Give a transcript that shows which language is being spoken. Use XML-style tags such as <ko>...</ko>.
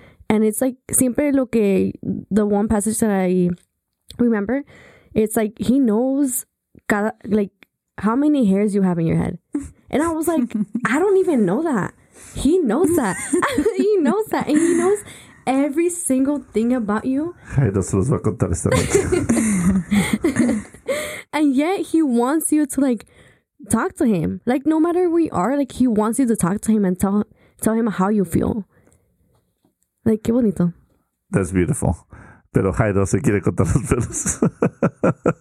<en>And it's, like,</en> <es>siempre lo que,</es> <en>the one passage that I remember, it's, like, he knows, cada, like, how many hairs you have in your head. And I was, like, I don't even know that. He knows that. He knows that. And he knows every single thing about you.</en> <es>Ay, no se los voy a contar esta noche.</es> <en>And yet he wants you to, like, talk to him. Like, no matter where you are, like, he wants you to talk to him and tell him how you feel.</en> <es>Like, qué bonito.</es> <en>That's beautiful.</en> <es>Pero Jairo se quiere contar los pelos.</es>